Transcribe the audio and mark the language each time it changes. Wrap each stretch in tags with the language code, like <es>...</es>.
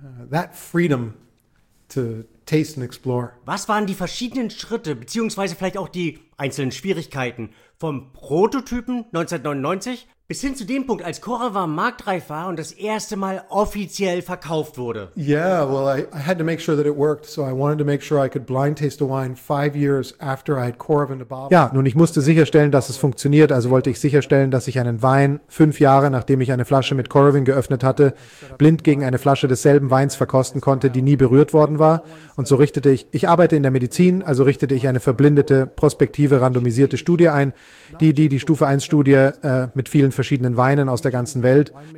<en>That freedom to taste and explore.</en> <de>Was waren die verschiedenen Schritte, beziehungsweise vielleicht auch die einzelnen Schwierigkeiten, vom Prototypen 1999 bis hin zu dem Punkt, als Coravin marktreif war und das erste Mal offiziell verkauft wurde?</de> <en>Yeah, well, I had to make sure that it worked, so I wanted to make sure I could blind taste a wine 5 years after I had Coravin in the bottle.</en> <de>Ja, nun, ich musste sicherstellen, dass es funktioniert, also wollte ich sicherstellen, dass ich einen Wein 5 Jahre, nachdem ich eine Flasche mit Coravin geöffnet hatte, blind gegen eine Flasche desselben Weins verkosten konnte, die nie berührt worden war. Und so richtete ich arbeite in der Medizin, also richtete ich eine verblindete, prospektive, randomisierte Studie ein, die Stufe 1 Studie mit vielen verschiedenen Weinen aus der ganzen Welt.</de>